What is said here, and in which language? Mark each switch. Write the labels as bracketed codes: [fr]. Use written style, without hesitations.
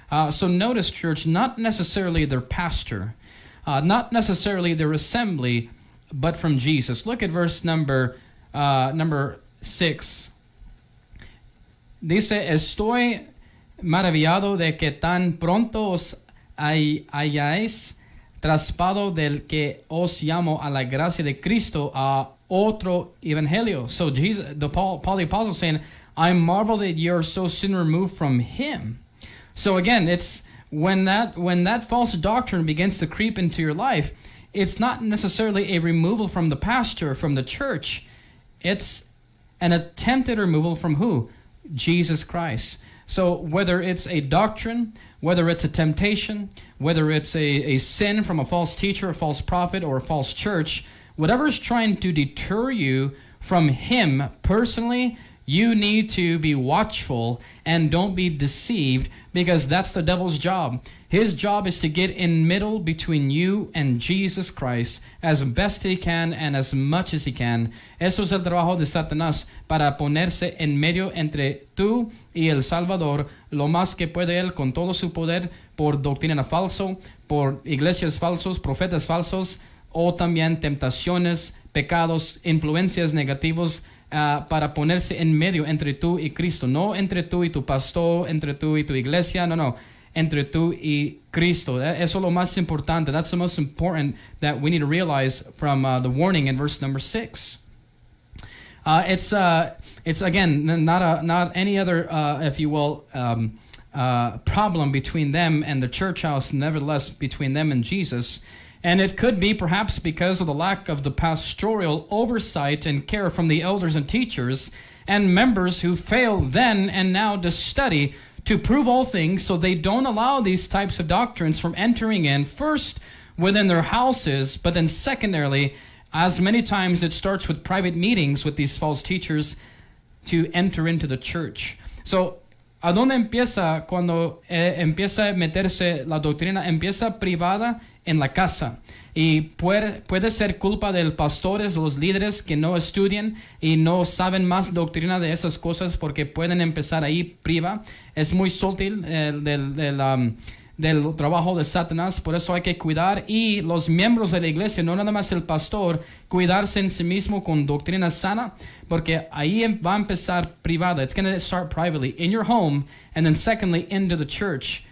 [en] So notice, church, not necessarily their pastor, not necessarily their assembly, but from Jesus. Look at verse number 6. [es] Dice, estoy maravillado de que tan pronto os hayáis traspado del que os llamo a la gracia de Cristo a otro evangelio. [en] So Jesus, Paul the apostle saying, I marvel that you're so soon removed from him. So again, it's when that false doctrine begins to creep into your life, it's not necessarily a removal from the pastor, from the church. It's an attempted removal from who? Jesus Christ. So whether it's a doctrine, whether it's a temptation, whether it's a sin from a false teacher, a false prophet, or a false church, whatever is trying to deter you from him personally, you need to be watchful and don't be deceived, because that's the devil's job. His job is to get in middle between you and Jesus Christ as best he can and as much as he can. [es] Eso es el trabajo de Satanás, para ponerse en medio entre tú y el Salvador lo más que puede él, con todo su poder, por doctrina falso, por iglesias falsos, profetas falsos, o también tentaciones, pecados, influencias negativas, para ponerse en medio entre tú y Cristo. No entre tú y tu pastor, entre tú y tu iglesia, no. Entre tú y Cristo. Eso es lo más importante. [en] That's the most important that we need to realize from the warning in verse number 6. It's again, not any other problem between them and the church house, nevertheless, between them and Jesus. And it could be perhaps because of the lack of the pastoral oversight and care from the elders and teachers and members who fail then and now to study to prove all things, so they don't allow these types of doctrines from entering in first within their houses, but then secondarily, as many times it starts with private meetings with these false teachers to enter into the church. [es] So, ¿a dónde empieza cuando empieza a meterse la doctrina? Empieza privada en la casa. Y puede ser culpa del pastores, los líderes que no estudian y no saben más doctrina de esas cosas, porque pueden empezar ahí priva. Es muy sutil del trabajo de Satanás. Por eso hay que cuidar, y los miembros de la iglesia, no nada más el pastor, cuidarse en sí mismo con doctrina sana, porque ahí va a empezar privada. [en] It's going to start privately in your home and then secondly into the church.